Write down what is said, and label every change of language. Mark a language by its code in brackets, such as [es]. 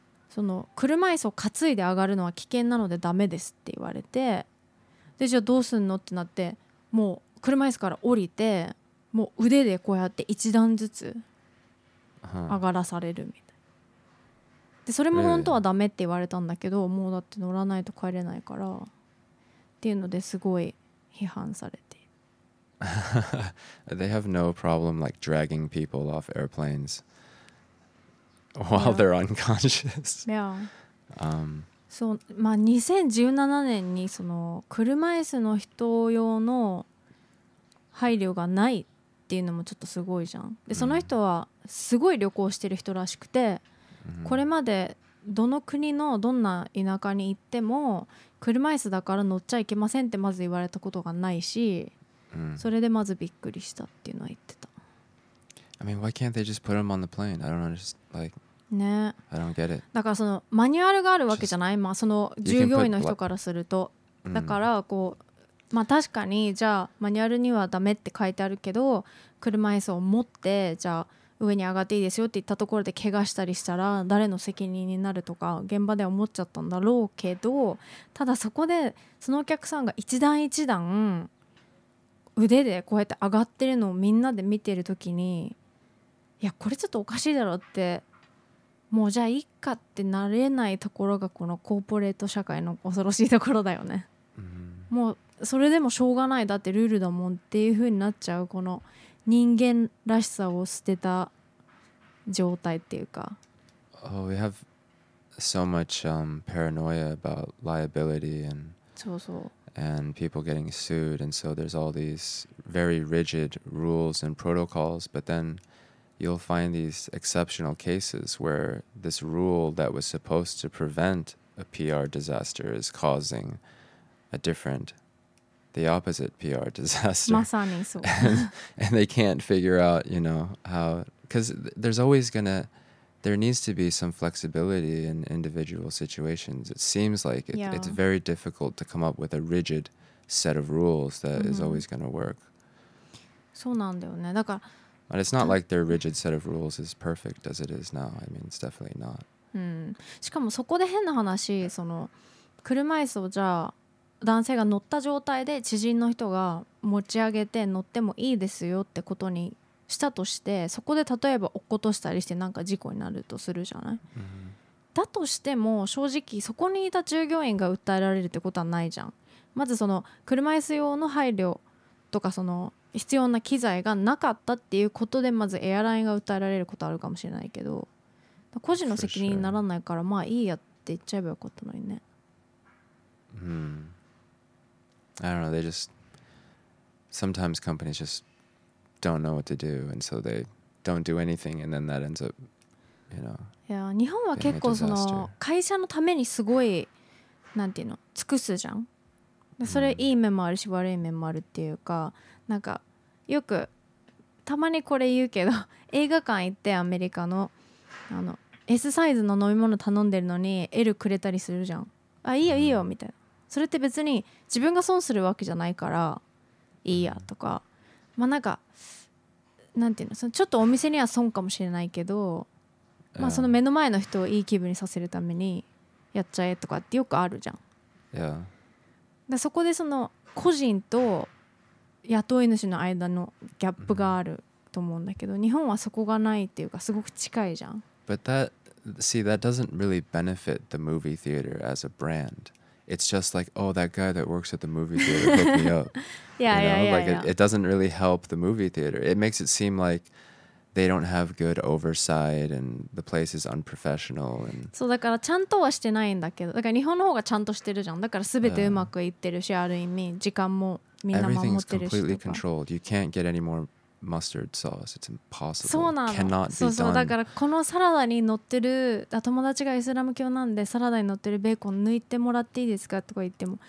[ja] その車椅子を担いで上がるのは危険なのでダメですって言われて、でじゃあどうすんのってなって、もう車椅子から降りて、もう腕でこうやって一段ずつ上がらされるみたいな。でそれも本当はダメって言われたんだけど、もうだって乗らないと帰れないからっていうのですごい批判されて。 [en] They have no problem like dragging people off airplanes while they're unconscious. Yeah. [ja] そう、まあ2017年にその車椅子の人用の配慮がないっていうのもちょっとすごいじゃん。でその人はすごい旅行してる人らしくて、これまでどの国のどんな田舎に行っても車椅子だから乗っちゃいけませんってまず言われたことがないし、それでまずびっくりしたっていうのは言ってた。 [en] I mean, why can't they just put them on the plane? I don't know, just like, [ja] ね、 [en] I don't get it. [ja] だからそのマニュアルがあるわけじゃない、まあその従業員の人からすると、だからこう、まあ確かにじゃあマニュアルにはダメって書いてあるけど、車椅子を持ってじゃあ上に上がっていいですよって言ったところで怪我したりしたら誰の責任になるとか現場では思っちゃったんだろうけど、ただそこでそのお客さんが一段一段腕でこうやって上がってるのをみんなで見てるときに、いやこれちょっとおかしいだろって、もうじゃあいっかってなれないところがこのコーポレート社会の恐ろしいところだよね。もうそれでもしょうがない、だってルールだもんっていう風になっちゃう、この人間らしさを捨てた状態っていうか。 [en] Oh, we have so much paranoia about liability and, [ja] そうそう、 [en] and people getting sued, and so there's all these very rigid rules and protocols, but then you'll find these exceptional cases where this rule that was supposed to prevent a PR disaster is causing a differentthe opposite PR disaster. [ja] まさにそう。 [en] and they can't figure out, you know, how, because there's always gonna, there needs to be some flexibility in individual situations. It seems like it, it's very difficult to come up with a rigid set of rules that is always gonna work. [ja] そうなんだよね。だから、 [en] but it's not like their rigid set of rules is perfect as it is now. I mean, it's definitely not. [ja] しかもそこで変な話、その車椅子をじゃあ男性が乗った状態で知人の人が持ち上げて乗ってもいいですよってことにしたとして、そこで例えば落っことしたりしてなんか事故になるとするじゃない、だとしても正直そこにいた従業員が訴えられるってことはないじゃん。まずその車椅子用の配慮とかその必要な機材がなかったっていうことでまずエアラインが訴えられることあるかもしれないけど、個人の責任にならないからまあいいやって言っちゃえばよかったのにね。 [en] I don't know, they just, sometimes companies just don't know what to do, and so they don't do anything, and then that ends up, you know, [ja] いや、日本は結構その会社のためにすごい、なんていうの、尽くすじゃん。それいい面もあるし悪い面もあるっていうか、なんかよくたまにこれ言うけど、映画館行ってアメリカの、あの S サイズの飲み物頼んでるのに L くれたりするじゃん。あ、いいよいいよみたいな。それって別に自分が損するわけじゃないからいいやとか、まあなんかなんていうの、そのちょっとお店には損かもしれないけど、まあその目の前の人をいい気分にさせるためにやっちゃえとかってよくあるじゃん。だそこでその個人と雇い主の間のギャップがあると思うんだけど、日本はそこがないっていうかすごく近いじゃん。 [en] But that, see, that doesn't really benefit the movie theater as a brand. It's just like, oh, that guy that works at the movie theater hooked me up. Yeah, you know? Like it doesn't really help the movie theater. It makes it seem like they don't have good oversight and the place is unprofessional. And... [ja] そうだからちゃんとはしてないんだけど、だから日本の方がちゃんとしてるじゃん。だからすべてうまくいってるし、ある意味時間もみんな守ってるし。 [en] Everything's completely controlled. You can't get any more mustard sauce. It's impossible. [ja] そうなの。 [en] Cannot be done. [ja] そうそう。だからこのサラダに乗ってる、友達がイスラム教なんでサラダに乗ってるベーコン抜いてもらっていいですかとか言っても、